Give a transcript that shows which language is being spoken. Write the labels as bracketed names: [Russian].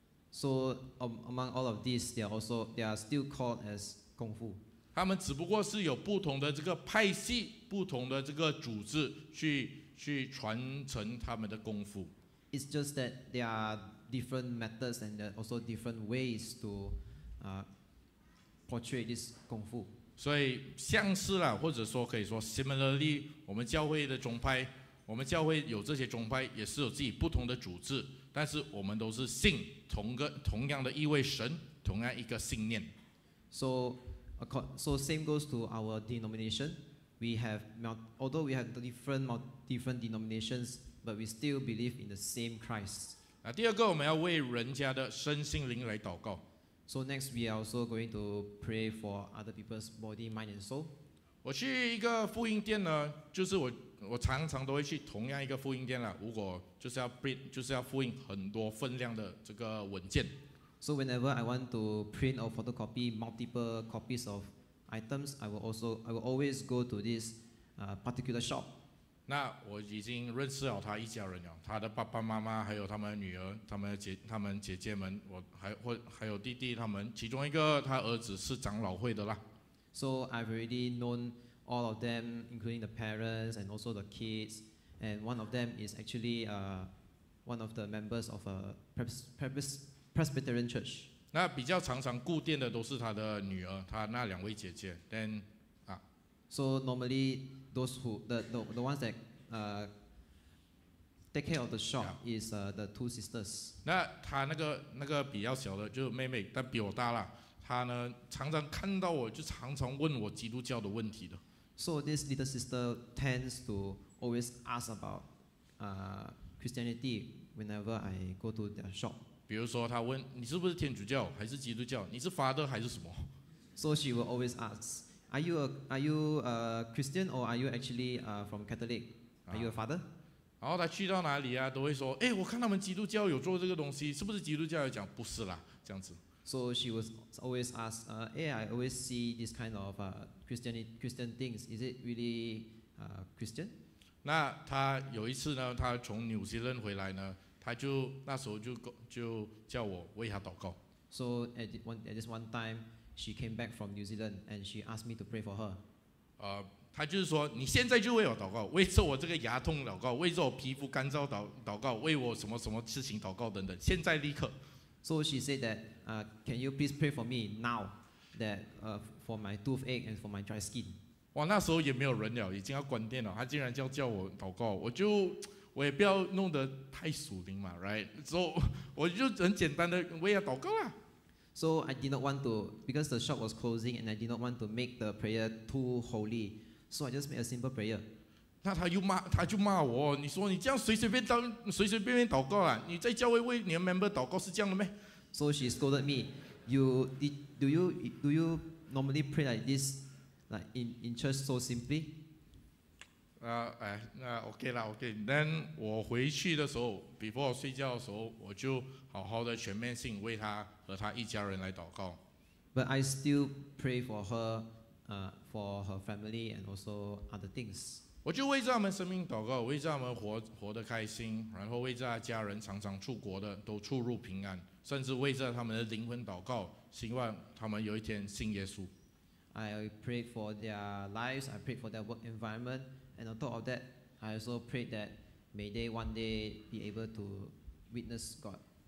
[English] So among all of these, they are still called as功夫， [Chinese] 他们只不过是有不同的这个派系，不同的这个组织去传承他们的功夫。 [English] It's just that there are different methods and also different ways to portray this 功夫。 [Chinese] 所以相似了，或者说可以说 similarly， 我们教会的宗派，我们教会有这些宗派，也是有自己不同的组织，但是我们都是信同样的一位神，同样一个信念。 [English] So same goes to our denomination. We have different denominations, but we still believe in the same Christ. [Chinese] 那第二个，我们要为人家的身心灵来祷告。 [English] So next, we are also going to pray for other people's body, mind, and soul. [Chinese] 我去一个复印店呢，就是我常常都会去同样一个复印店了。如果就是要复印很多分量的这个文件。 [English] So whenever I want to print or photocopy multiple copies of items, I will always go to this particular shop. [Chinese] 那我已经认识了他一家人了，他的爸爸妈妈还有他们的女儿，他们姐姐们，我还有弟弟他们，其中一个他儿子是长老会的啦。 [English] So I've already known all of them, including the parents and also the kids, and one of them is actually one of the members of a Presbyterian Church. [Chinese] 那比较常常固定的都是他的女儿，他那两位姐姐。 [English] Then, So normally those who the ones that take care of the shop is the two sisters. [Chinese] 那他那个比较小的就是妹妹，但比我大了。他呢常常看到我就常常问我基督教的问题的。 [English] So this little sister tends to always ask about Christianity whenever I go to their shop. [Chinese] 比如说，他问你是不是天主教还是基督教，你是 father 还是什么 [English] ？So she will always ask, are you a Christian or are you actually from Catholic? Are you a father?、 [Chinese] 然后他去到哪里啊，都会说，哎，我看他们基督教有做这个东西，是不是基督教？讲不是啦，这样子。 [English] So she was always ask, I always see this kind of Christian things. Is it really Christian? [Chinese] 那他有一次呢，他从纽西兰回来呢。他就那时候就叫我为他祷告。 [English] So at this one time, she came back from New Zealand and she asked me to pray for her. [Chinese] 他就是说你现在就为我祷告，为着我这个牙痛祷告，为着我皮肤干燥祷告，为我什么什么事情祷告等等，现在立刻。 [English] So she said that, can you please pray for me now, that for my toothache and for my dry skin. [Chinese] 哇，那时候也没有人了，已经要关店了，他竟然叫我祷告，我也不要弄得太属灵嘛 ，right？ So 我就很简单的为他祷告啦。 [English] So I did not want to because the shop was closing and I did not want to make the prayer too holy. So I just made a simple prayer. [Chinese] 那他就骂我，你说你这样随随便便祷告啦，你在教会为你的 member 祷告是这样的咩 [English] ？So she scolded me. Do you normally pray like this, like in church so simply？ [Chinese] 那 OK 啦 ，OK。Then 我回去的时候 ，before 我睡觉的时候，我就好好的全面性为他和他一家人来祷告。 [English] But I still pray for her, for her family and also other things. [Chinese] 我就为着他们生命祷告，为着他们活得开心，然后为着他家人常常出国的都出入平安，甚至为着他们的灵魂祷告，希望他们有一天信耶稣。 [English] I pray for their lives, I pray for their work environment, and on top of that, I also pray that may they one day be able to witness God.